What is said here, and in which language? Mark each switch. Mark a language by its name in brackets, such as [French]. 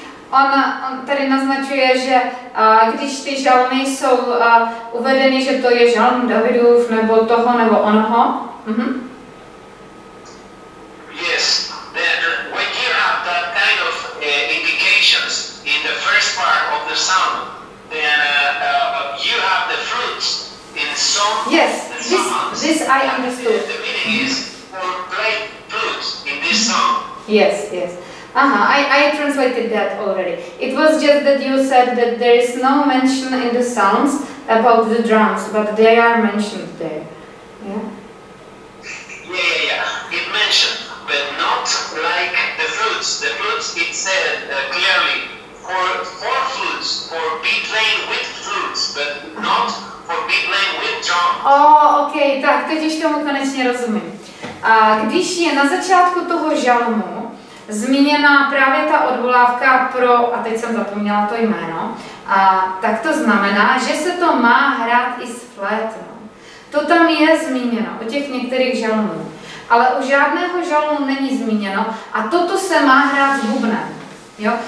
[Czech] On tady naznačuje, že když ty žalmy jsou uvedeny, že to je žalm Davidův nebo toho nebo onoho. [English] Yes, then when you have that kind of indications in the first part of the psalm, then you have the fruits in some. Yes, this I understood. The meaning is for great fruits in this psalm. Yes, yes. I translated that already. It was just that you said that there is no mention in the Psalms about the drums, but they are mentioned there. Yeah. It mentioned, but not like the flutes. The flutes, it said clearly for flutes, for be playing with flutes, but not for be playing with drums. Oh, okay. [Czech] Tak teď už tomu konečně rozumím. A když je na začátku toho žalmu zmíněna právě ta odvolávka pro, a teď jsem zapomněla to jméno, a tak to znamená, že se to má hrát i s flétnou. To tam je zmíněno u těch některých žalmů, ale u žádného žalmu není zmíněno a toto se má hrát s bubnem. Jo?